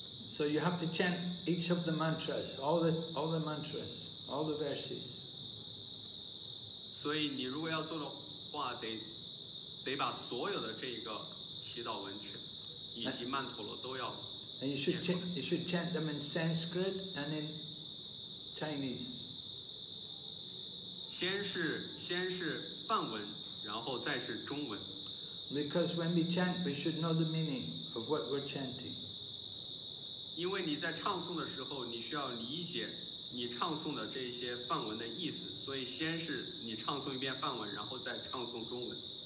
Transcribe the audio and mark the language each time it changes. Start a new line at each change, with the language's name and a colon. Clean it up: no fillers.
English: So you have to chant each of the mantras, all the mantras, all the verses.
Chinese: 所以你如果要做的话，得把所有的这个祈祷文全以及曼陀罗都要。
English: And you should chant them in Sanskrit and in Chinese.
Chinese: 先是梵文。然后再是中文。
English: Because when we chant, we should know the meaning of what we're chanting.
Chinese: 因为你在唱诵的时候，你需要理解你唱诵的这些梵文的意思，所以先是你唱诵一遍梵文，然后再唱诵中文。